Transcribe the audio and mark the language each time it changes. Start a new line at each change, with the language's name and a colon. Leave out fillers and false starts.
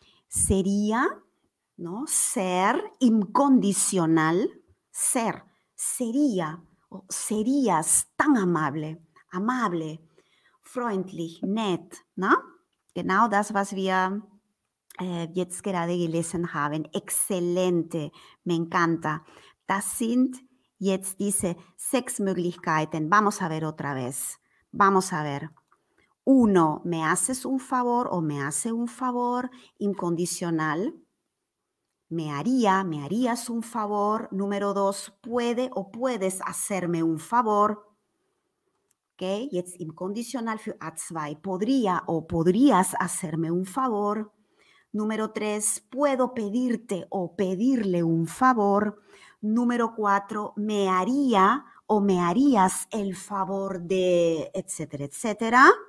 Spanish: Sería, no, ser
German: im Kondicional,
Spanish: ser, sería, o serías tan amable, amable,
German: freundlich, nett, ne? Genau das, was wir jetzt gerade gelesen haben. Exzellente,
Spanish: me encanta.
German: Das sind jetzt diese sechs Möglichkeiten.
Spanish: Vamos a ver otra vez. Vamos a ver. Uno, me haces un favor o me hace un favor incondicional. Me harías un favor. Número dos, puede o puedes hacerme un favor.
German: Okay, jetzt im Kondicional für A2.
Spanish: Podría o podrías hacerme un favor. Número tres, puedo pedirte o pedirle un favor. Número cuatro, me haría o me harías el favor de, etcétera, etcétera.